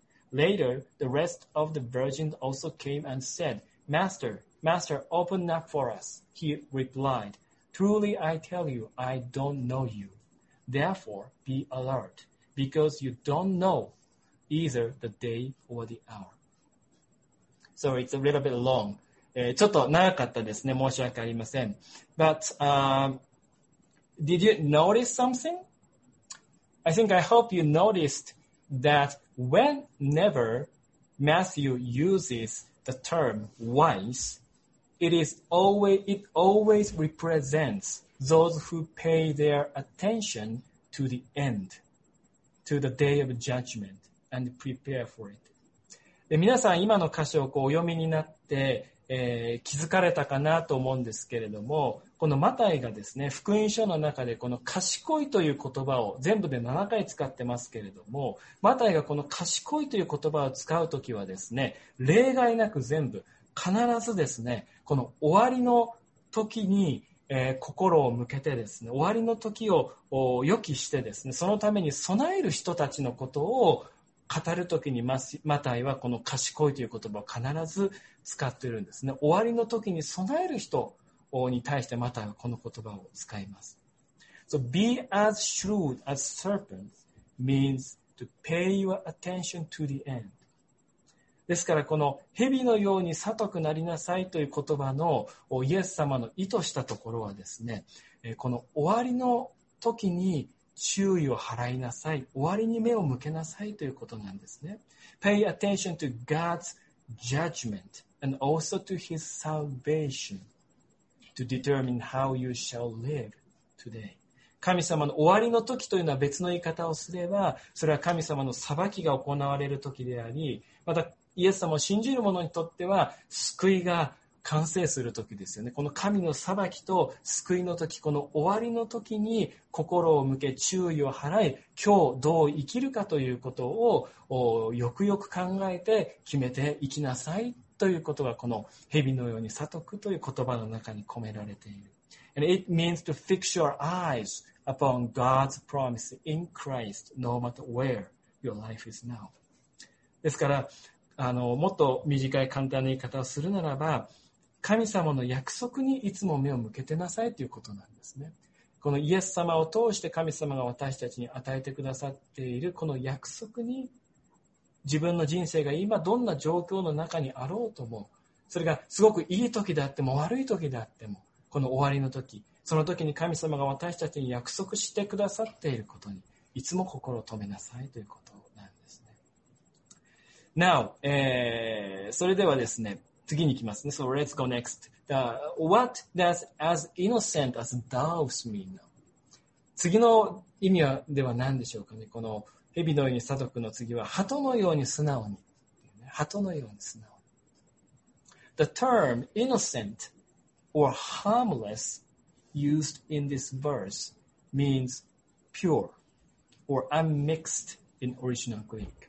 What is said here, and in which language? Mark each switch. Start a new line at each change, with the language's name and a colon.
English: Later, the rest of the virgins also came and said, Master, Master, open up for us. He replied, Truly I tell you, I don't know you. Therefore, be alert, because you don't know either the day or the hour. So it's a little bit long.
Japanese: ちょっと長かったですね。申し訳ありません。
English: But, did you notice something? I think I hope you noticed that... Whenever Matthew uses the term wise, it always represents those who pay their attention to the end, to the day of judgment, and prepare for it.
Japanese: で、皆さん今の箇所をこうお読みになって、気づかれたかなと思うんですけれども、このマタイがですね、福音書の中でこの賢いという言葉を全部で7回使ってますけれども、マタイがこの賢いという言葉を使うときはですね、例外なく全部必ずですね、この終わりの時に心を向けてですね、終わりの時を予期してですね、そのために備える人たちのことを語るときに、マタイはこの賢いという言葉を必ず使っているんですね。終わりの時に備える人に対してマタイはこの言葉を使います。
English: So, be as shrewd as serpents means to pay your attention to the end.
Japanese: ですから、この蛇のように悟くなりなさいという言葉のイエス様の意図したところはですね、この終わりの時に注意を払いなさい、終わりに目を向けなさいということなんですね。
English: Pay attention to God's judgment and also to his salvation to determine how you shall live today.
Japanese: 神様の終わりの時というのは、別の言い方をすれば、それは神様の裁きが行われる時であり、またイエス様を信じる者にとっては救いが完成する時ですよね。この神の裁きと救いの時、この終わりの時に心を向け注意を払い、今日どう生きるかということをよくよく考えて決めていきなさいということが、この蛇のように悟くという言葉の中に込められている。
English: And it means to fix your eyes upon God's promise in Christ no matter where your life is now.
Japanese: ですから、もっと短い簡単な言い方をするならば、神様の約束にいつも目を向けてなさいということなんですね。このイエス様を通して神様が私たちに与えてくださっているこの約束に、自分の人生が今どんな状況の中にあろうとも、それがすごくいい時であっても悪い時であっても、この終わりの時、その時に神様が私たちに約束してくださっていることにいつも心を留めなさいということなんですね。 Now、それではですね、次に行きますね。
English: So let's go next. What does as innocent as doves mean now?
Japanese: 次の意味では何でしょうかね。この蛇のように悟くの次は、鳩のように素直に。鳩のように素直に。
English: The term innocent or harmless used in this verse means pure or unmixed in original Greek.